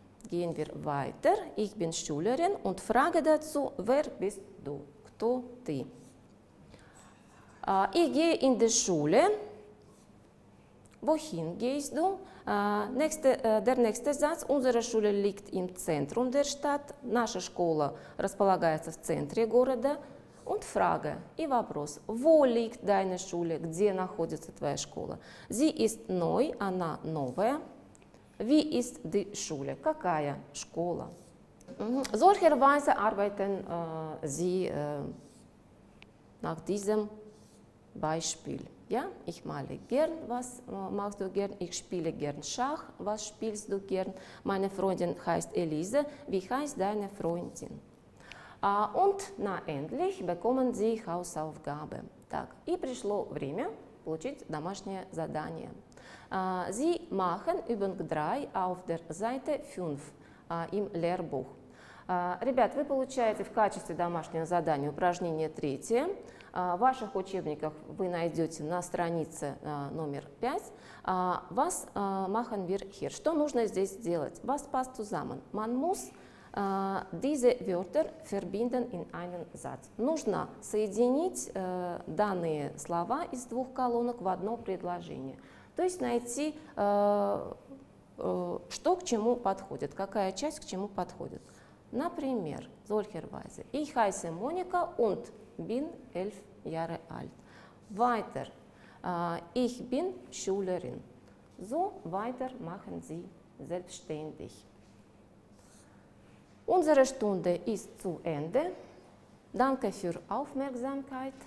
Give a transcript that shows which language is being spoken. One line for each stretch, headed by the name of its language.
German: gehen wir weiter. Ich bin Schülerin und frage dazu, wer bist du?
Russian: Кто ты?
German: Ich gehe in die Schule. Wohin gehst du? Der nächste Satz. Unsere Schule liegt im Zentrum der Stadt.
Russian: Наша школа располагается в центре города.
German: Und Frage.
Russian: И вопрос.
German: Wo liegt deine Schule?
Russian: Где находится твоя школа?
German: Sie ist neu.
Russian: Она новая.
German: Wie ist die Schule?
Russian: Какая школа?
German: Solcher Weise arbeiten Sie nach diesem Beispiel. Ja, ich male gern, was machst du gern? Ich spiele gern Schach, was spielst du gern? Meine Freundin heißt Elise, wie heißt deine Freundin? Und na endlich bekommen Sie Hausaufgabe.
Russian: Так, и пришло время получить домашнее задание.
German: Sie machen Übung 3 auf der Seite 5 im Lehrbuch.
Russian: Ребят, вы получаете в качестве домашнего задания упражнение 3. В ваших учебниках вы найдете на странице номер 5.
German: Was machen wir hier?
Russian: Что нужно здесь сделать?
German: Was passt zusammen? Man muss diese Wörter verbinden in einen Satz.
Russian: Нужно соединить данные слова из двух колонок в одно предложение. То есть найти, что к чему подходит, какая часть к чему подходит. Например,
German: solcher Weise. Ich heiße Monika und bin 11 Jahre alt. Weiter. Ich bin Schülerin. So weiter machen Sie selbstständig. Unsere Stunde ist zu Ende. Danke für Aufmerksamkeit.